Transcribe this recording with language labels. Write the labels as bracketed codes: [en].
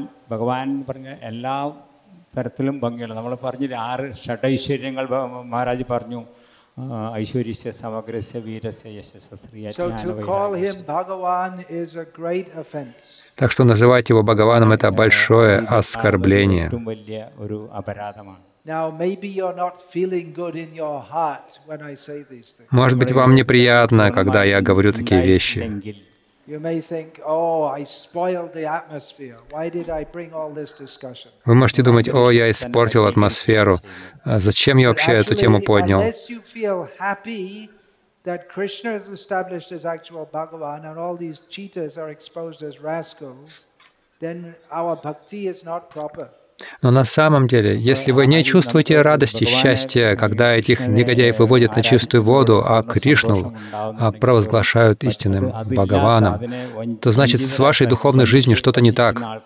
[ml] Бхагаван പറഞ്ഞു എല്ലാ തരത്തിലും ഭംഗിയുള്ള. നമ്മൾ പറഞ്ഞു ആറ് ഷഡൈശ്വര്യങ്ങൾ മഹാരാജ് പറഞ്ഞു. [sa] ഐശ്വര്യസ്യ സമഗ്രസ്യ വീരസ്യ യശസ്യ സ്ത്രീയ [en] ജ്ഞാനവൈരാഗ്യ. So to call him Bhagavan is a great offense. [ru] Так что называть его Бхагаваном — это большое оскорбление. Это [ml] വലിയ ഒരു അപരാധമാണ്. [en] Now maybe you're not feeling good in your heart when I say these things. [ru] Может быть, вам неприятно, когда я говорю такие вещи. [en] You may think, "Oh, I spoiled the atmosphere. Why did I bring all this discussion?" [ru] Вы можете думать: "О, я испортил атмосферу. Зачем я вообще эту тему поднял?" [en] Unless you feel happy that Krishna is established as actual Bhagavan and all these cheaters are exposed as rascals, then our bhakti is not proper. [ru] Но на самом деле, если вы не чувствуете радости, счастья, когда этих негодяев выводят на чистую воду, а Кришну провозглашают истинным Бхагаваном, то значит, с вашей духовной жизнью что-то не так.